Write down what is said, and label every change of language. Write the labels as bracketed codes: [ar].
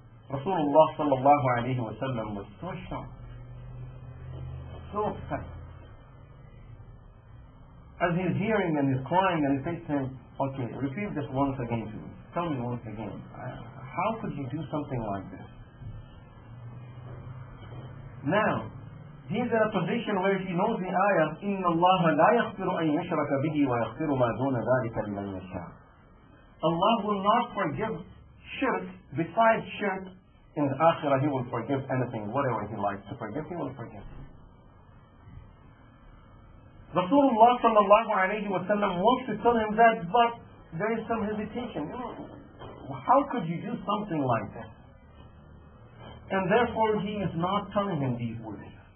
[en] Rasulullah sallallahu alayhi wa sallam was so shocked, so upset. As he's hearing and he's crying and he says to him, okay, repeat this once again to me. Tell me once again, how could you do something like this? Now, he's in a position where he knows the ayah, [ar] إِنَّ اللَّهَ لَا يَخْفِرُ أَن يَشْرَكَ بِهِ وَيَخْفِرُ مَا دُونَ ذَلِكَ لِمَنْ يَشَاءُ. [en] Allah will not forgive shirk. Besides shirk, in the akhirah he will forgive anything, whatever he likes to forgive, he will forgive. Rasulullah sallallahu alayhi wa sallam wants to tell him that, but there is some hesitation. How could you do something like that? And therefore he is not telling him these words.